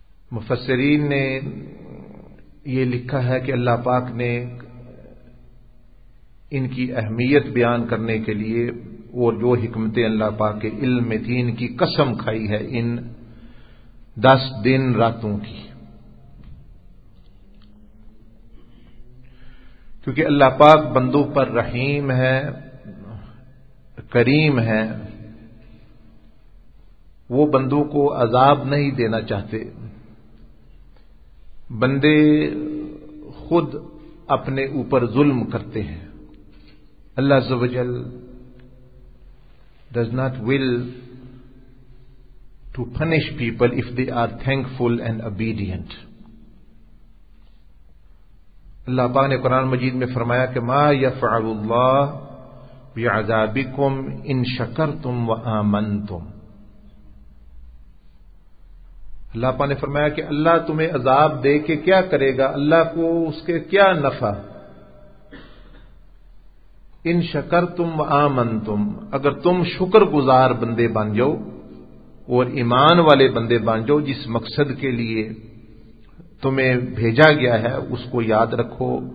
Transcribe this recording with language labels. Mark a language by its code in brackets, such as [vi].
[ur] مفسرین نے یہ لکھا ہے کہ اللہ پاک نے ان کی اہمیت بیان کرنے کے لیے اور جو حکمتیں اللہ پاک کے علم میں تھیں ان کی قسم کھائی ہے ان 10 دن راتوں کی، کیونکہ اللہ پاک بندوں پر رحیم ہے، کریم ہے، وہ بندوں کو عذاب نہیں دینا چاہتے. بندے خود اپنے اوپر ظلم کرتے ہیں. [en] اللہ عزوجل does not will to punish people if they are thankful and obedient. [ur] اللہ پاک نے قرآن مجید میں فرمایا کہ [ar] ما يفعل اللہ بعذابكم ان شکرتم وآمنتم. [ur] اللہ پاک نے فرمایا کہ اللہ تمہیں عذاب دے کے کیا کرے گا، اللہ کو اس کے کیا نفع، [ar] ان شکرتم وآمنتم، [ur] اگر تم شکر گزار بندے بن جاؤ اور ایمان والے بندے بن جاؤ جس مقصد کے لیے تمہیں بھیجا گیا ہے اس کو یاد رکھو.